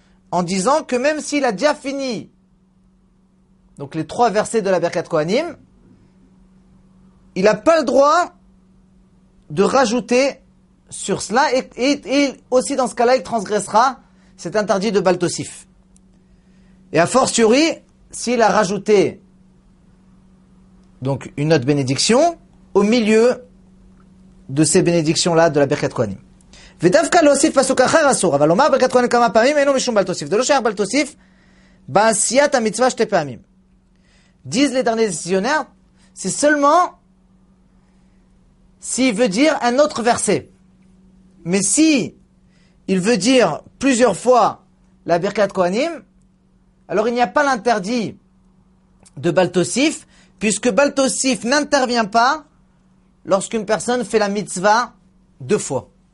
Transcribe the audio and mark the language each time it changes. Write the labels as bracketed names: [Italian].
[French] en disant que même s'il a déjà fini, donc les trois versets de la Birkat Kohanim, il n'a pas le droit de rajouter sur cela, et aussi dans ce cas-là, il transgressera cet interdit de Baal Tosif. Et a fortiori, s'il a rajouté donc une autre bénédiction au milieu de ces bénédictions-là de la Birkat Kohanim. [Hebrew] ודווקא להוסיף פסוק אחר אסור, אבל לומר ברכת כהנים כמה פעמים, אינו משום בל תוסיף. זה לא שייך בל תוסיף, בעשיית המצווה שתי פעמים. [French] Disent les derniers décisionnaires, c'est seulement s'il veut dire un autre verset. Mais si il veut dire plusieurs fois la ברכת כהנים, alors il n'y a pas l'interdit de בל תוסיף, puisque בל תוסיף n'intervient pas lorsqu'une personne fait la mitzvah deux fois.